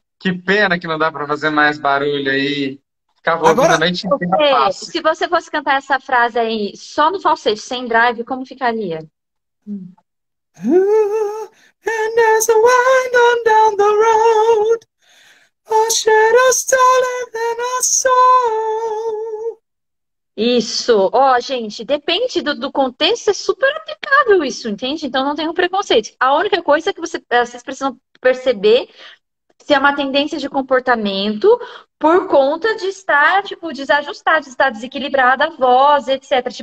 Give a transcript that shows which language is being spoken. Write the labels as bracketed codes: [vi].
[pt] Que pena que não dá para fazer mais barulho aí. Acabou que Agora, também tinha espaço. se você fosse cantar essa frase aí só no falsete, sem drive, como ficaria? [en] And as I wind on down the road, a shadow [pt] Isso, gente, depende do contexto, é super aplicável isso, entende? Então não tem um preconceito. A única coisa é que vocês precisam perceber se é uma tendência de comportamento por conta de estar, tipo, desajustado, de estar desequilibrada a voz, etc.